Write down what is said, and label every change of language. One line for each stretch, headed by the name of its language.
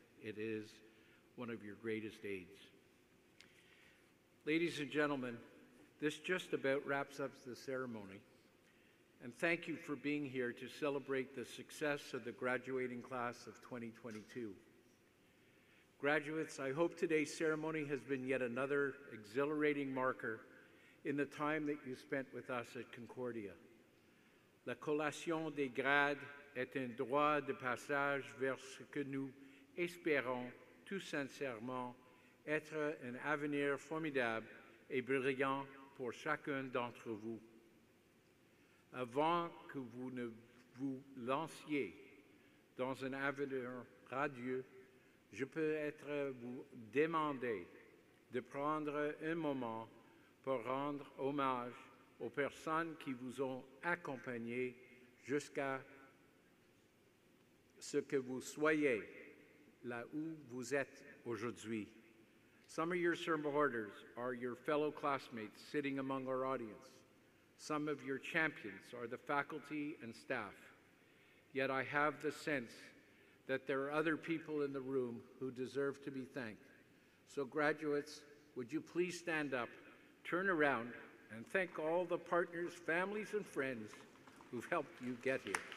English: It is one of your greatest aids. Ladies and gentlemen, this just about wraps up the ceremony, and thank you for being here to celebrate the success of the graduating class of 2022. Graduates, I hope today's ceremony has been yet another exhilarating marker in the time that you spent with us at Concordia.
French: La collation des grades est un droit de passage vers ce que nous espérons tout sincèrement être un avenir formidable et brillant pour chacun d'entre vous. Avant que vous ne vous lanciez dans un avenir radieux, je peux être vous demander de prendre un moment pour rendre hommage aux personnes qui vous ont accompagné jusqu'à ce que vous soyez là où vous êtes aujourd'hui.
English: Some of your supporters are your fellow classmates sitting among our audience. Some of your champions are the faculty and staff. Yet I have the sense that there are other people in the room who deserve to be thanked. So graduates, would you please stand up, turn around, and thank all the partners, families, and friends who've helped you get here.